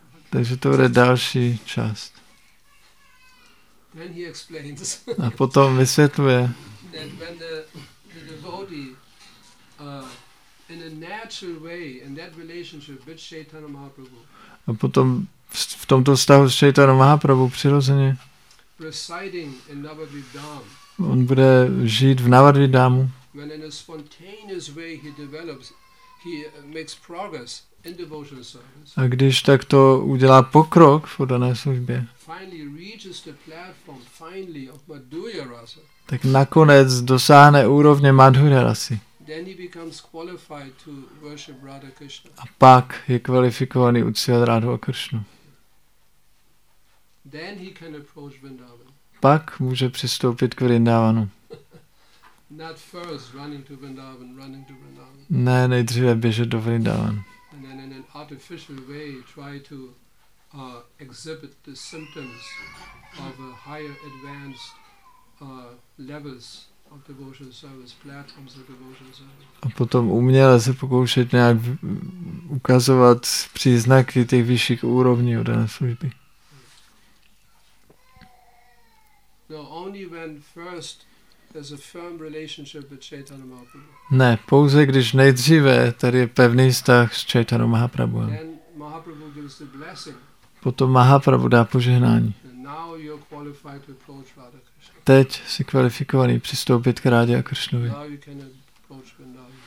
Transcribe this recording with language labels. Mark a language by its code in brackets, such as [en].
[cs] Takže to bude další část. [en] Then he explains. [cs] A potom vysvětluje. [en] That when the devotee in a natural way in that relationship with Chaitanya Mahaprabhu. [cs] A potom v tomto vztahu s Chaitanyou Mahaprabhu přirozeně. [en] Residing in Navadvipdham. [cs] On bude žít v Navadvipdhamu. [en] When in a spontaneous way he develops, he makes progress in devotional service. [cs] A když tak to udělá pokrok v dané službě. [en] Finally reaches the platform finally of Madhurya rasa. [cs] Tak nakonec dosáhne úrovně Madhurya rasy. [en] Then he becomes qualified to worship Radha Krishna. [cs] A pak je kvalifikovaný uctívat Radhu a Krishnu. [en] Then he can approach Vrindavan. [cs] Pak může přistoupit k Vrindavanu. [en] Not first running to Vrindavan, running to Vrindavan. [cs] Ne, nejdříve běžet do Vrindavan. [en] And then in an artificial way try to exhibit the symptoms of a higher advanced levels of devotional service, platforms of devotional service. [cs] A potom uměle se pokoušet nějak ukazovat příznaky těch vyšších úrovní od dané služby. [en] No, only when first there's a firm relationship with Chaitanya Mahaprabhu. [cs] Ne, pouze když nejdříve tady je pevný vztah s Chaitanya Mahaprabhu. [en] Then Mahaprabhu gives the blessing. [cs] Potom Mahaprabhu dá požehnání. [en] Now you're qualified to approach Radha Krishna. [cs] Teď jsi kvalifikovaný přistoupit k Rádě a Kršnovi. [en] Now you can approach Vrindavan.